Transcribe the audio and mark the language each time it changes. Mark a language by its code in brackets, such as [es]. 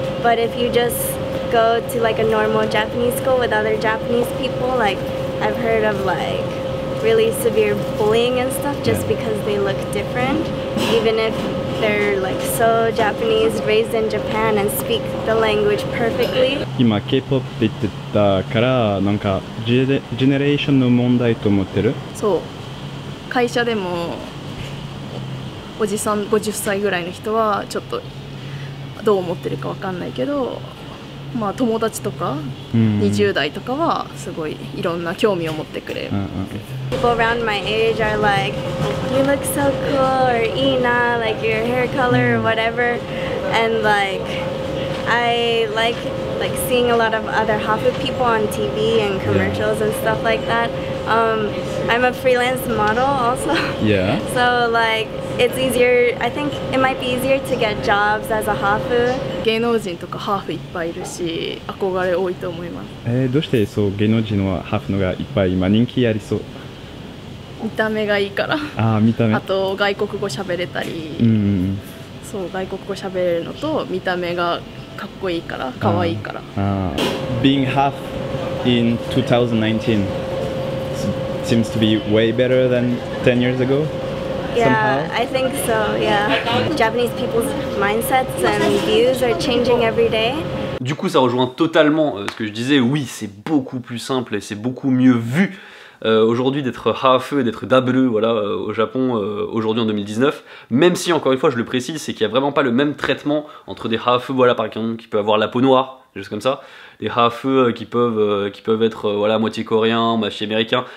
[en] But if you just go to like a normal Japanese school with other Japanese people, like I've heard of like really severe bullying and stuff just because they look different, even if they're like so Japanese, raised in Japan and speak the language perfectly. [ja] 今 K-POP って言ってたからなんかジェネレーションの問題と思ってる？そう。会社でもおじさん50歳ぐらいの人はちょっとどう思ってるかわかんないけど、まあ友達とか20代とかはすごいいろんな興味を持ってくれる。 [en] People around my age are like, you look so cool or [ja] いいな、 [en] like your hair color or whatever, and like I like like seeing a lot of other Hafu people on TV and commercials and stuff like that. I'm a freelance model also. Yeah. So like it's easier, I think it might be easier to get jobs as a Hafu. [ja] 芸能人とかハーフいっぱいいるし、憧れ多いと思います。どうしてそう芸能人のハーフのがいっぱい今人気ありそう。見た目がいいから。ああ、見た目。あと外国語喋れたり。うん。そう、外国語喋れるのと見た目がかっこいいから、かわいいから。 [en] ああ。Being half in 2019 seems to be way better than 10 years ago. Yeah, I think so, yeah. Japanese people's mindsets and views are changing every day. [fr] Du coup, ça rejoint totalement ce que je disais. Oui, c'est beaucoup plus simple et c'est beaucoup mieux vu aujourd'hui d'être hafeu et d'être dabeu, voilà, au Japon, aujourd'hui en 2019. Même si, encore une fois, je le précise, c'est qu'il n'y a vraiment pas le même traitement entre des hafeu, voilà, par exemple, qui peuvent avoir la peau noire, juste comme ça, des hafeu qui peuvent être voilà, moitié coréen, moitié américain.